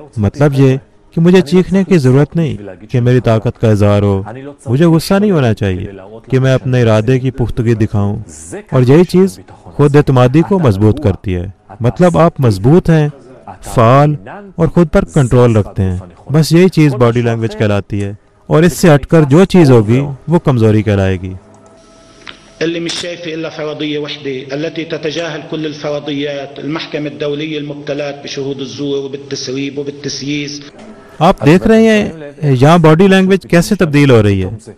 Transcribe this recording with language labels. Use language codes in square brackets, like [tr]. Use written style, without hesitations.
[ur] مطلب یہ کہ مجھے چیخنے کی ضرورت نہیں کہ میری طاقت کا اظہار ہو, مجھے غصہ نہیں ہونا چاہیے کہ میں اپنے ارادے کی پختگی دکھاؤں. اور یہی چیز خود اعتمادی کو مضبوط کرتی ہے. مطلب آپ مضبوط ہیں, فعال اور خود پر کنٹرول رکھتے ہیں. بس یہی چیز باڈی لینگویج کہلاتی ہے, اور اس سے ہٹ کر جو چیز ہوگی وہ کمزوری کہلائے گی. [ar] اللي مش شايف الا فرضيه وحده التي تتجاهل كل الفرضيات المحكمه الدوليه المبتلات بشهود الزور وبالتسريب وبالتسييس. [ur] آپ دیکھ رہے ہیں یہاں باڈی لینگویج کیسے تبدیل ہو رہی ہے.